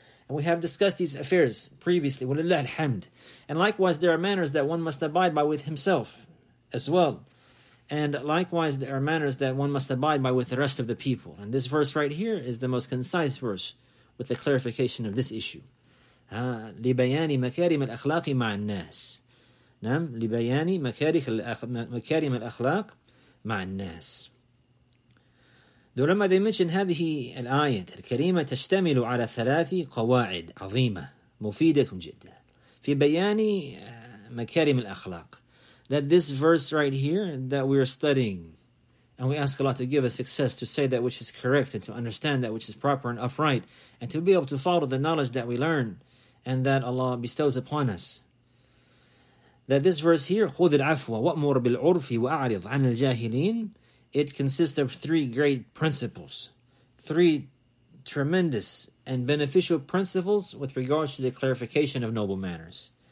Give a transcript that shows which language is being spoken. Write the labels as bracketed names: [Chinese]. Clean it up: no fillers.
[English] And we have discussed these affairs previously. Walillah alhamd. And likewise, there are manners that one must abide by with himself as well. And likewise, there are manners that one must abide by with the rest of the people. And this verse right here is the most concise verse with the clarification of this issue. [Arabic] لِبَيَانِ مَكَارِمَ الْأَخْلَاقِ مَعَ النَّاسِ. نعم لبيان مكارم الأخلاق مع الناس. دولما [English] they mention [Arabic] هذه الآية الكريمة تشتمل على ثلاث قواعد عظيمة مفيدة جدا في بيان مكارم الأخلاق. [English] That this verse right here that we are studying, and we ask Allah to give us success to say that which is correct and to understand that which is proper and upright, and to be able to follow the knowledge that we learn and that Allah bestows upon us. That this verse here, [Arabic] خذ العفو وأمر بالعرف وأعرض عن الجاهلين, [English] it consists of three great principles, three tremendous and beneficial principles with regards to the clarification of noble manners.